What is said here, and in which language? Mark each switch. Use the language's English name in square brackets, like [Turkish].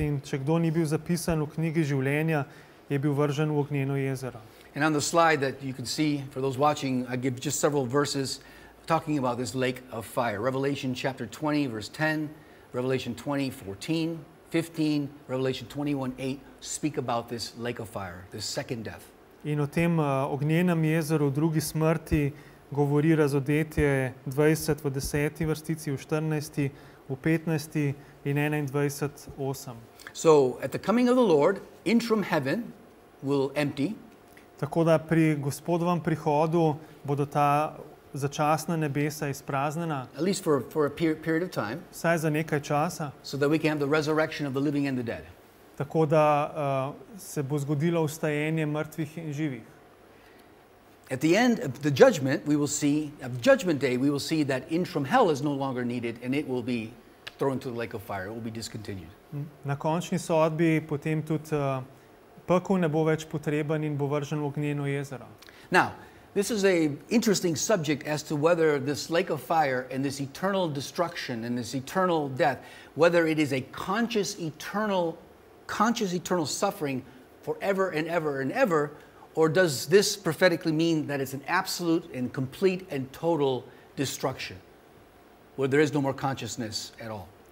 [Slovenian] In če kdo ni bil zapisan v knjigi življenja, je bil vržen v ognjeno jezero. [English] And on the slide that you can see, for those watching, I give just several verses talking about this lake of fire. Revelation chapter 20, verse 10, Revelation 20, 14, 15, Revelation 21, 8, speak about this lake of fire, this second death. [Slovenian] In o tem ognjenem jezeru, drugi smrti, govori razodetje 20 v 10. vrstici, v 14. v 15. in 21. 8. [English] So, at the coming of the Lord, interim heaven will empty. [Slovenian] Tako da pri Gospodovem prihodu bodo ta začasna nebesa izpraznena. [English] At least for a period of time. [Slovenian] Vsaj za nekaj časa. [English] So that we can have the resurrection of the living and the dead. [Slovenian] Tako da se bo zgodilo vstajenje mrtvih in živih. [English] At the end of the judgment, we will see of judgment day, we will see that in from hell is no longer needed and it will be thrown to the lake of fire. It will be discontinued. [Slovenian] Na končni sodbi potem tudi pekel ne bo več potreben in bo vržen v ognjeno jezero. [English] Now, this is an interesting subject as to whether this lake of fire and this eternal destruction and this eternal death, whether it is a conscious eternal suffering forever and ever and ever, or does this prophetically mean that it's an absolute and complete and total destruction, where there is no more consciousness at all?